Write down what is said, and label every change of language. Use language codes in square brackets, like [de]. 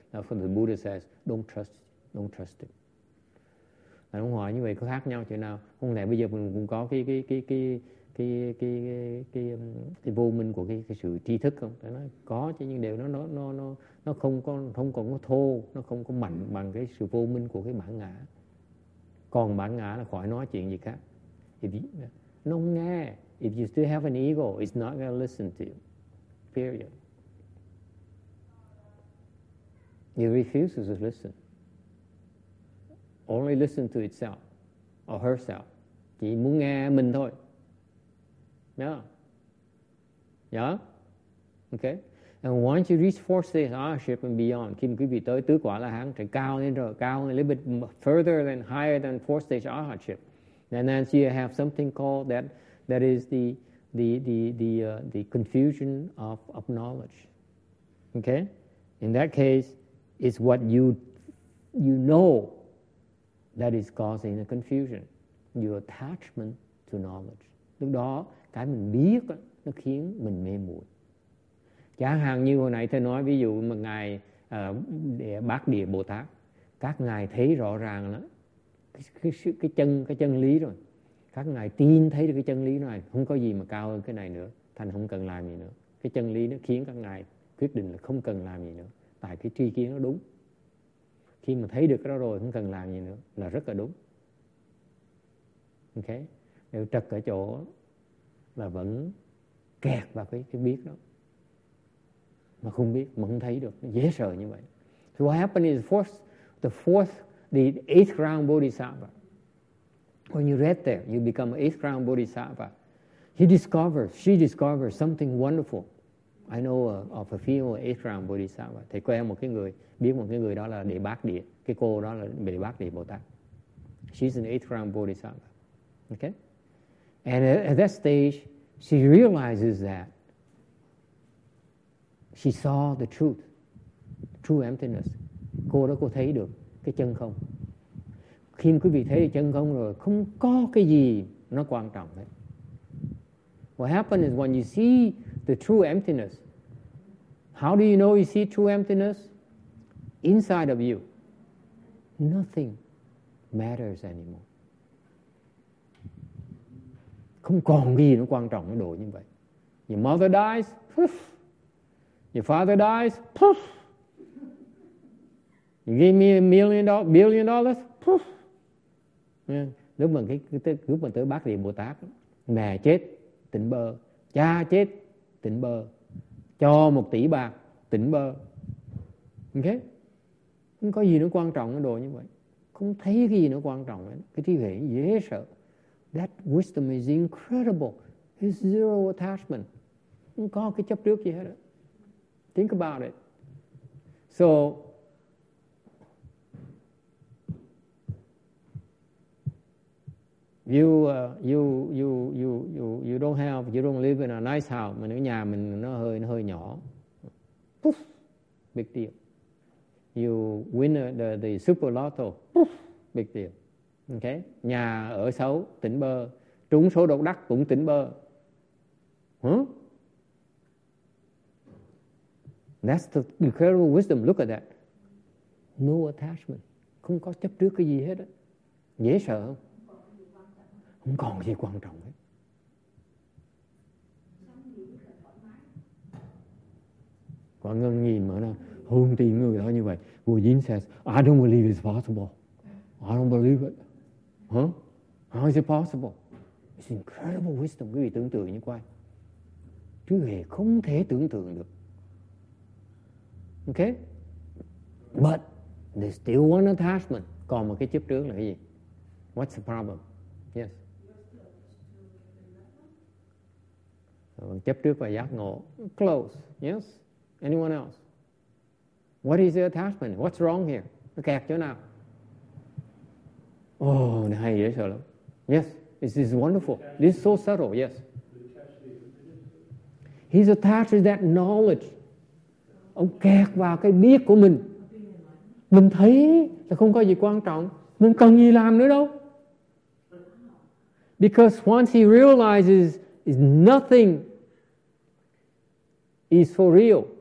[en] Now, for the Buddha says, don't trust it. [vi] Anh muốn hỏi như vậy có khác nhau chỗ nào? Không lẽ bây giờ mình cũng có cái vô minh của cái sự tri thức không? Nó có chứ, nhưng điều nó không còn có thô, nó không có mạnh bằng cái sự vô minh của cái bản ngã. Còn bản ngã là khỏi nói chuyện gì khác. Nó không nghe. [en] If you still have an ego, it's not going to listen to you. Period. It refuses to listen. Only listen to itself or herself. [vi] Chỉ muốn nghe mình thôi. Yeah. Yeah. Okay. [en] And once you reach fourth stage arhatship and beyond, [vi] khi quý vị tới tứ quả la hán trở cao lên rồi, [en] cao lên a little bit further than higher than fourth stage arhatship, and then you have something called that is the confusion of knowledge. Okay. In that case, it's what you know that is causing the confusion, your attachment to knowledge. [vi] Lúc đó cái mình biết nó khiến mình mê muội. Chẳng hạn như hồi nãy thầy nói ví dụ mà ngài Bát Địa Bồ Tát, các ngài thấy rõ ràng lắm cái chân lý rồi, các ngài tin thấy được cái chân lý này, không có gì mà cao hơn cái này nữa, thành không cần làm gì nữa. Cái chân lý nó khiến các ngài quyết định là không cần làm gì nữa, tại cái tri kiến nó đúng. Khi mà thấy được cái đó rồi không cần làm gì nữa là rất là đúng. Ok, nếu trật ở chỗ là vẫn kẹt vào cái biết đó. Mà không biết, mà không thấy được. Dễ sợ như vậy. [en] So what happened is the eighth ground bodhisattva. When you read there, you become eighth ground bodhisattva. She discovers something wonderful. I know of a female eighth ground bodhisattva. [vi] Thầy quen một cái người, biết một cái người đó là Đề Bát Địa. Cái cô đó là Đề Bát Địa Bồ Tát. [en] She's an eighth ground bodhisattva. Okay? And at that stage, she realizes that she saw the truth, true emptiness. [vi] Cô đó cô thấy được cái chân không. Khi quý vị thấy được chân không rồi, không có cái gì nó quan trọng đấy. [en] What happens is when you see the true emptiness, how do you know you see true emptiness? Inside of you, nothing matters anymore. [vi] Không còn gì nó quan trọng cái đồ như vậy. [en] Your mother dies, poof. Your father dies, poof. You give me $1 billion, poof. Yeah. [vi] Lúc mà tới Bát Địa Bồ Tát, mẹ chết, tỉnh bơ. Cha chết, tỉnh bơ. Cho 1 tỷ bạc, tỉnh bơ. Okay? Không có gì nó quan trọng cái đồ như vậy. không thấy gì nó quan trọng hết. Cái trí huệ dễ sợ. [en] That wisdom is incredible. It's zero attachment. [vi] Không có cái chấp trước gì hết. [en] Think about it. So, you don't live in a nice house. [vi] Mình ở nhà mình nó hơi nhỏ. [en] Poof, big deal. You win the super lotto. Poof, big deal. Okay. [vi] Nhà ở xấu, tỉnh bơ. Trúng số độc đắc cũng tỉnh bơ. Huh? [en] That's the incredible wisdom. Look at that. No attachment. [vi] Không có chấp trước cái gì hết. Đó. Dễ sợ không? Không còn gì quan trọng hết. Quả Ngân nhìn mà nó hương tìm người đó như vậy. [en] Vua Dinh says, I don't believe it's possible. I don't believe it. Huh? How is it possible? It's incredible wisdom. [vi] Quý vị tưởng tượng như quay. Chứ hề không thể tưởng tượng được. Okay? [en] But they still want attachment. [vi] Còn một cái chấp trước là cái gì? [en] What's the problem? Yes. [vi] Chấp trước và giác ngộ. [en] Close. Yes. Anyone else? What is the attachment? What's wrong here? [vi] Nó kẹt chỗ nào? Oh, nó hay dễ sợ lắm. [en] Yes. This is wonderful. This is so subtle. Yes. He's attached to that knowledge. [vi] Ông kẹt vào cái biết của mình. Mình thấy là không có gì quan trọng. Mình cần gì làm nữa đâu. [en] Because once he realizes is nothing is for real.